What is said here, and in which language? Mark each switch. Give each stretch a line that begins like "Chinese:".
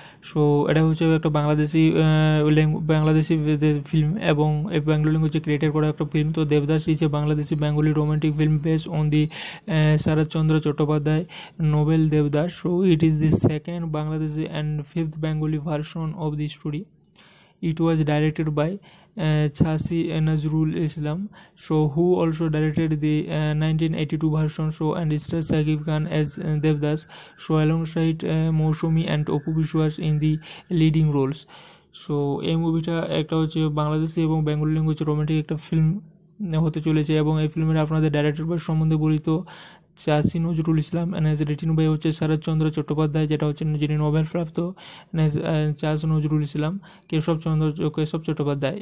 Bangla: So এটা হচ্ছে একটা বাংলাদেশি ফিল্ম এবং এই বেঙ্গলি ল্যাঙ্গুয়েজে ক্রিয়েটেড করা একটা ফিল্ম।
English: তো Devdas is a Bangladeshi Bengali romantic film based on the Saratchandra Chattopadhyay novel Devdas. So it is the second Bangladeshi and fifth Bengali version of the story. It was directed by Chashi Nazrul Islam. So who also directed the 1982 version. So and stars Shakib Khan as Devdas. So alongside Moushumi and Apu Biswas in the leading roles.
Bangla: So এই মুভিটা একটা হচ্ছে বাংলাদেশি এবং Bengali language romantic একটা film হতে চলেছে। এবং এই ফিল্মের আপনাদের ডাইরেক্টর বা সম্বন্ধে বলি, তো চাষি Nazrul Islam
English: এনএস written by
Bangla: হচ্ছে শরৎচন্দ্র চট্টোপাধ্যায়, যেটা হচ্ছে যিনি নোবেল প্রাপ্ত চাষি নজরুল ইসলাম কেশব চট্টোপাধ্যায়।